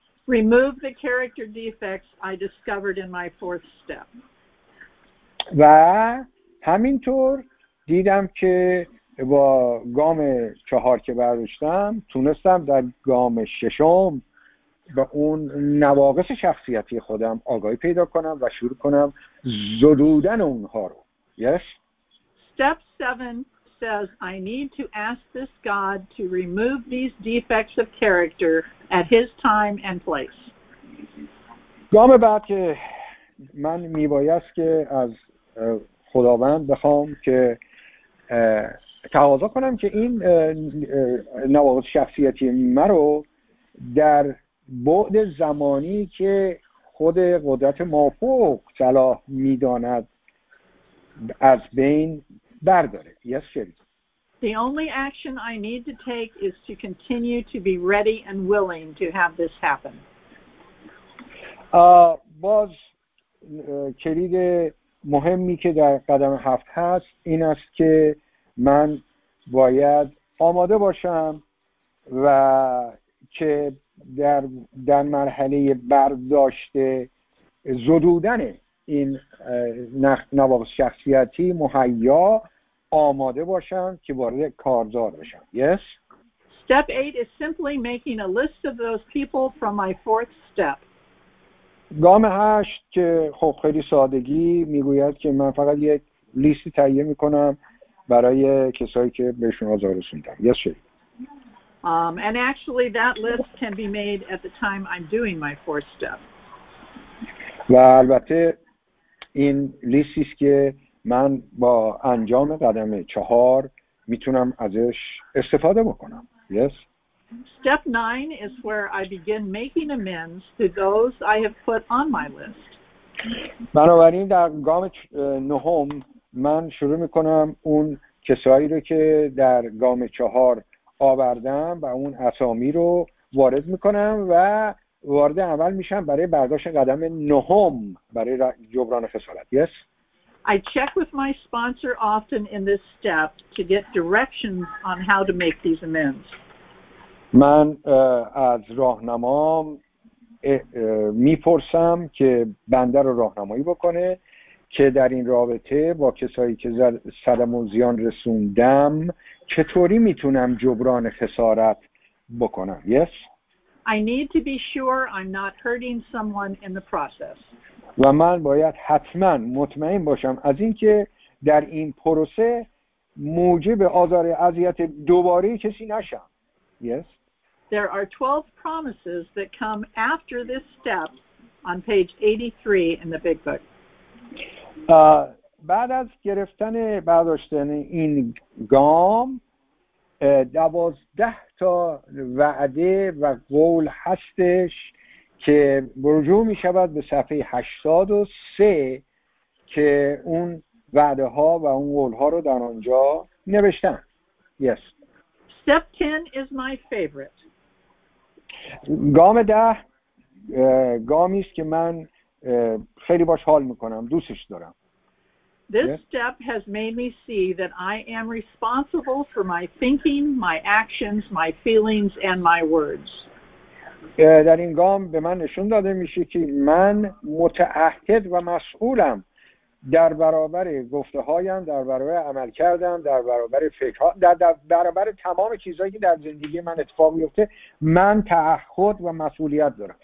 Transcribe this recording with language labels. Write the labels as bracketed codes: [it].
[en] Remove the character defects I discovered in my fourth step. [fa] و همینطور دیدم که با گام چهار که برداشتم تونستم در گام ششم به اون نواقص شخصیتی خودم آگاهی پیدا کنم و شروع کنم زدودن اونها رو. [en] Yes. Step 7 says I need to ask this God to remove these defects of character at his time and place. [fa] گام بعد که من میبایست که از خداوند بخوام که تقاضا کنم که این نواقص شخصیتی من رو در بعد زمانی که خود قدرت مافوق صلاح میداند از بین برداره. [en] Yes, Sherry. The only action I need to take is to continue to be ready and willing to have this happen. [fa] باز کلید مهمی که در قدم هفت هست این است که من باید آماده باشم و که در مرحله برداشت زدودن این نواقص شخصیتی مهیا آماده باشم که وارد کارزار بشم. [en] Yes. Step 8 is simply making a list of those people from my fourth step. [fa] گام 8 که خب خیلی سادگی میگوید که من فقط یک لیستی تهیه میکنم برای کسایی که بهشون آزار رسوندم. [en] Yes, sir. And actually that list can be made at the time I'm doing my fourth step. [fa] و البته این لیستی است که من با انجام قدم چهار میتونم ازش استفاده بکنم. [en] Yes. Step 9 is where I begin making amends to those I have put on my list. [fa] بنابراین در گام نهم من شروع میکنم اون کسایی رو که در گام 4 آوردم و اون اسامی رو وارد میکنم و وارد اول میشم برای برداشت قدم نهم برای جبران خسارت. [en] Yes. I check with my sponsor often in this step to get directions on how to make these amends. [fa] من از راهنمام میپرسم که بنده رو راهنمایی بکنه که در این رابطه با کسایی که صدمه و زیان رسوندم چطوری میتونم جبران خسارت بکنم. [en] Yes. I need to be sure I'm not hurting someone in the process. [fa] و من باید حتما مطمئن باشم از اینکه در این پروسه موجب آزار اذیت دوباره کسی نشم. [en] Yes. There are 12 promises that come after this step on page 83 in the big book. [fa] بعد از گرفتن برداشتن این گام 12 تا وعده و قول هستش که رجوع می شود به صفحه 83 که اون وعده ها و اون قول ها رو در آنجا نوشتن. [en] Yes. Step 10 is my favorite. [fa] گام 10 گامی است که من خیلی باش حال میکنم، دوستش دارم. [en] This step has made me see that I am responsible for my thinking, my actions, my feelings and my words. [fa] در این گام به من نشون داده میشه که من متعهد و مسئولم در برابر گفته هایم، در برابر عمل کردم، در برابر فکر ها، در برابر تمام چیزهایی که در زندگی من اتفاق میفته من تعهد و مسئولیت دارم.